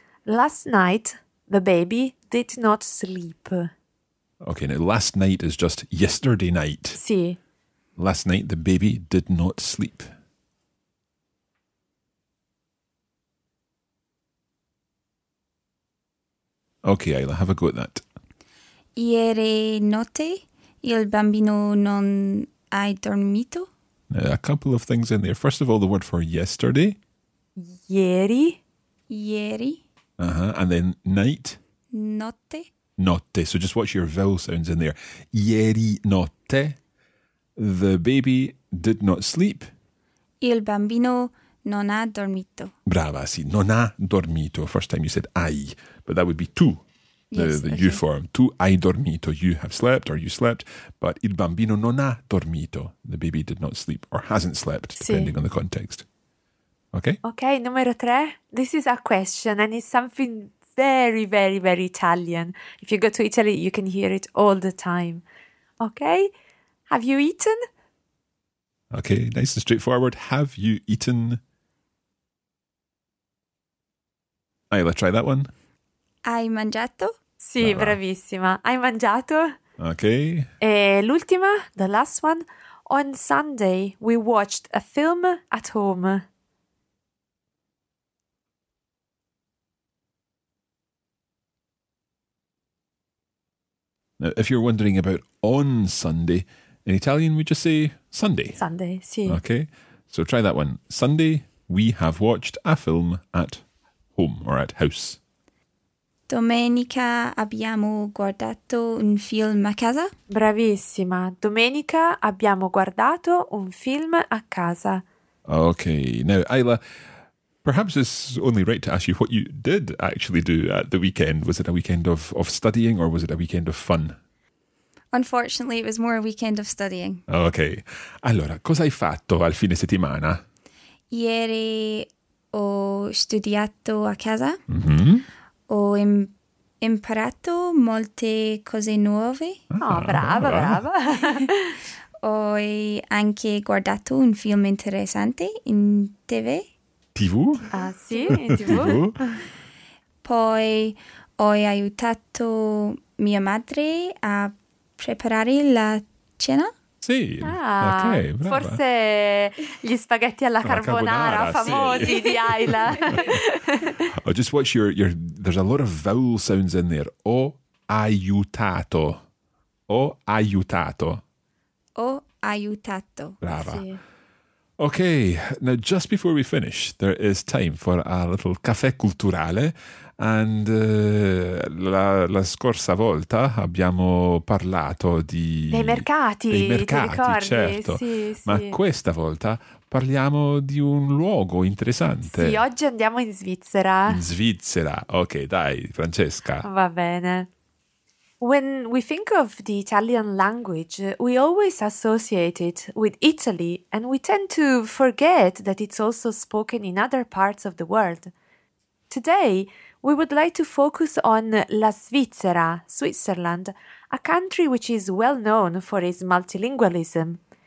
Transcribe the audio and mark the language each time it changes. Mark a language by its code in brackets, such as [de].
[en] Last night, the baby did not sleep. Ok, now last night is just yesterday night. [it] Sì. [en] Last night, the baby did not sleep. Okay, Ayla, have a go at that. [it] Ieri notte il bambino non ha dormito. [en] A couple of things in there. First of all, the word for yesterday. [it] Ieri. Ieri. [en] Uh-huh. And then night. [it] Notte. Notte. [en] So just watch your vowel sounds in there. [it] Ieri notte. [en] The baby did not sleep. [it] Il bambino non ha dormito. Brava, sì. Non ha dormito. [en] First time you said ai, but that would be tu. The U form. [it] Tu hai dormito. [en] You have slept or you slept. But il bambino non ha dormito. The baby did not sleep or hasn't slept, depending on the context. Okay? [it] Okay, numero tre. [en] This is a question and it's something very, very, very Italian. If you go to Italy, you can hear it all the time. Okay? Have you eaten? Okay, nice and straightforward. Have you eaten? Ayla, try that one. [it] Hai mangiato? Sì, bravissima. Hai mangiato? [en] Ok. [it] E l'ultima, [en] the last one. On Sunday, we watched a film at home. Now, if you're wondering about on Sunday, in Italian we just say Sunday. Sunday, sì. Ok. So try that one. Sunday, we have watched a film at home or at house. [it] Domenica abbiamo guardato un film a casa. Bravissima. Domenica abbiamo guardato un film a casa. [en] Okay. Now, Ayla, perhaps it's only right to ask you what you did actually do at the weekend. Was it a weekend of studying or was it a weekend of fun? Unfortunately, it was more a weekend of studying. Okay. [it] Allora, cosa hai fatto al fine settimana? Ieri ho studiato a casa. Mm-hmm. Ho imparato molte cose nuove. Ah, oh, brava, brava. Ho anche guardato un film interessante in TV. TV? Ah, sì, in TV. TV. Poi ho aiutato mia madre a preparare la cena. Sì, ah, okay, brava. Forse gli spaghetti alla carbonara famosi, sì, di Ayla. [en] Oh, just watch your there's a lot of vowel sounds in there. [it] Ho aiutato. Ho aiutato. Ho aiutato. Brava. Sì. [en] Okay, now just before we finish, there is time for a little caffè culturale. And [it] la scorsa volta abbiamo parlato di... Dei mercati, ti ricordi? Certo. Sì, sì. Ma questa volta parliamo di un luogo interessante. Sì, oggi andiamo in Svizzera. In Svizzera. Ok, dai, Francesca. Va bene. [en] When we think of the Italian language, we always associate it with Italy and we tend to forget that it's also spoken in other parts of the world. Today, we would like to focus on La Svizzera, Switzerland, a country which is well known for its multilingualism.